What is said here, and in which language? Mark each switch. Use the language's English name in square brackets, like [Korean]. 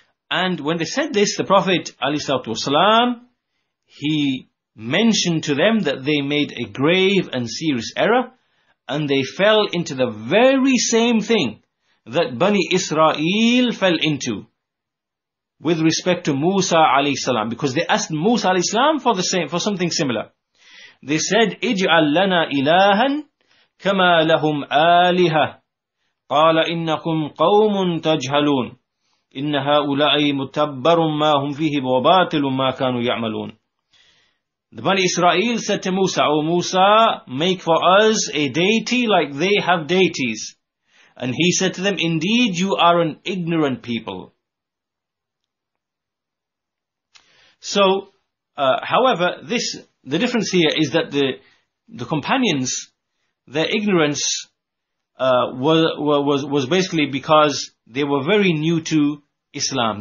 [English] And when they said this, the Prophet ﷺ, he mentioned to them that they made a grave and serious error, and they fell into the very same thing that Bani Israel fell into with respect to Musa alayhi salam, because they asked Musa alayhi salam for the same, for something similar. They said, [Arabic] اجعل لنا إلها كما لهم آلهة قال إنكم قوم تجهلون إن هؤلاء متبر ما هم فيه وباطل ما كانوا يعملون. [English] The Bani Israel said to Musa, O Musa, make for us a deity like they have deities. And he said to them, indeed you are an ignorant people. So, however, this, the difference here is that the companions, their ignorance was basically because they were very new to Islam.